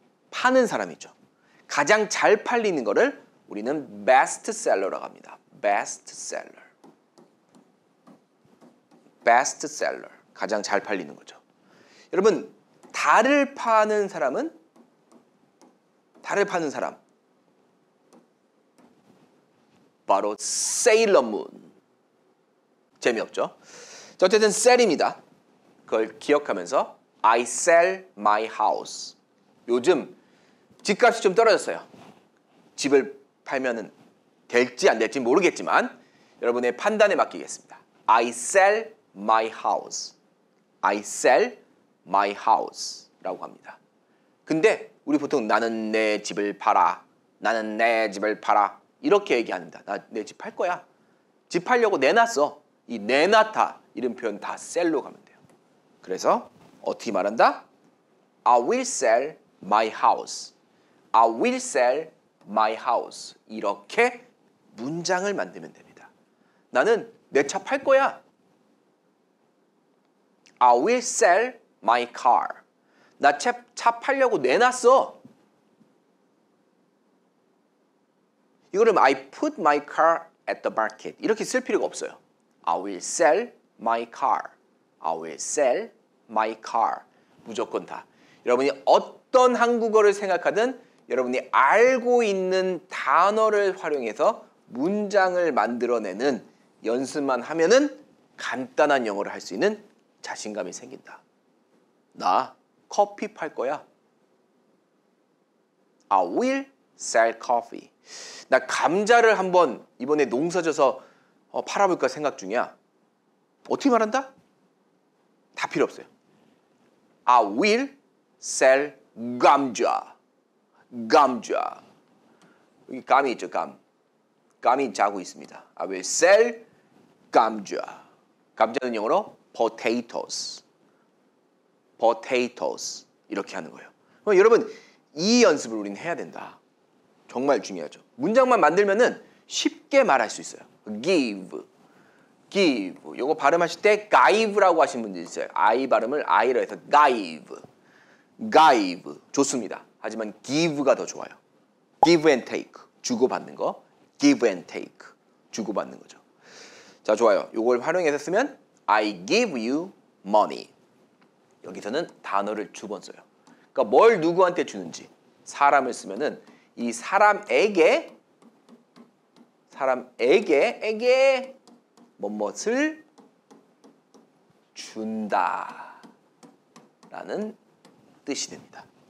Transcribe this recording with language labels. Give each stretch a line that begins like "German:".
Korean: 파는 사람이죠. 가장 잘 팔리는 거를 우리는 bestseller라고 합니다. bestseller. bestseller. 가장 잘 팔리는 거죠. 여러분, 달을 파는 사람은 달을 파는 사람. 바로 Sailor Moon. 재미없죠? 자, 어쨌든 sell입니다. 그걸 기억하면서
English: I sell my house.
Korean: 요즘 집값이 좀 떨어졌어요. 집을 팔면은 될지 안 될지 모르겠지만 여러분의 판단에 맡기겠습니다.
English: I sell my house. I sell my house 라고 합니다.
Korean: 근데 우리 보통 나는 내 집을 팔아. 나는 내 집을 팔아. 이렇게 얘기합니다. 나 내 집 팔 거야. 집 팔려고 내놨어. 이 내놨다 이런 표현 다 sell로 가면 돼요. 그래서 어떻게 말한다?
English: I will sell my house. I will sell my house.
Korean: 이렇게 문장을 만들면 됩니다. 나는 내 차 팔 거야.
English: I will sell my car.
Korean: 나 차 팔려고 내놨어.
English: 이거를 I put my car at the market.
Korean: 이렇게 쓸 필요가 없어요.
English: I will sell my car. I will sell my car.
Korean: 무조건 다. 여러분이 어떤 한국어를 생각하든 여러분이 알고 있는 단어를 활용해서 문장을 만들어내는 연습만 하면은 간단한 영어를 할 수 있는 자신감이 생긴다. 나 커피 팔 거야.
English: I will sell coffee.
Korean: 나 감자를 한번 이번에 농사져서 팔아볼까 생각 중이야. 어떻게 말한다? 다 필요 없어요.
English: I will sell 감자.
Korean: 감자. 여기 감이 있죠, 감. 감이 자고 있습니다.
English: I will sell 감자.
Korean: 감자는 영어로 potatoes. potatoes. 이렇게 하는 거예요. 그럼 여러분, 이 연습을 우리는 해야 된다. 정말 중요하죠. 문장만 만들면은 쉽게 말할 수 있어요.
English: give. give.
Korean: 요거 발음하실 때 give라고 하신 분들 있어요. I 발음을 I로 해서 give.
English: give. 좋습니다.
Korean: 하지만 give가 더 좋아요.
English: give and take.
Korean: 주고받는 거. give and take. 주고받는 거죠. 자, 좋아요. 요걸 활용해서 쓰면
English: I give you money.
Korean: 여기서는 단어를 두 번 써요. 그러니까 뭘 누구한테 주는지. 사람을 쓰면은 이 사람에게 사람에게 뭐뭐를 준다 라는 뜻이 됩니다.